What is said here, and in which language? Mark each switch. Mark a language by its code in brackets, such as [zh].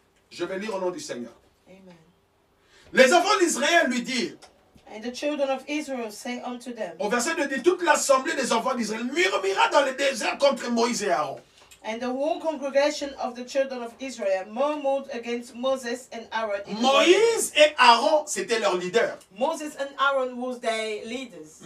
[fr] Je vais lire au nom du Seigneur. Amen. Les enfants d'Israël lui dirent. [en] And the children of Israel say unto them. [fr] Au verset 2 dit, toute l'assemblée des enfants d'Israël murmura dans le désert contre Moïse et Aaron. [en] And the whole congregation of the children of Israel murmured against Moses and Aaron. [fr] Moïse et Aaron, c'était leurs leaders. [en] Moses and Aaron was their leaders.